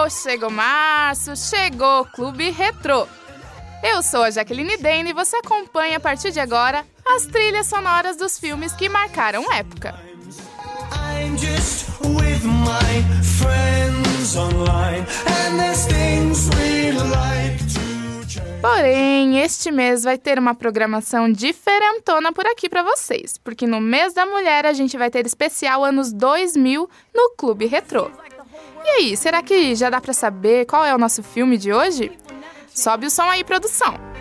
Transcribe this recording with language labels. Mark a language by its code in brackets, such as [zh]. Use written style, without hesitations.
[pt] chegou março, chegou o Clube Retrô. Eu sou a Jaqueline Dane e você acompanha a partir de agora as trilhas sonoras dos filmes que marcaram época. [en] I'm just with my friends online and there's things we like to change. [pt] Porém, este mês vai ter uma programação diferentona por aqui pra vocês, porque no mês da mulher a gente vai ter especial anos 2000 no Clube Retrô. E aí, será que já dá pra saber qual é o nosso filme de hoje? Sobe o som aí, produção!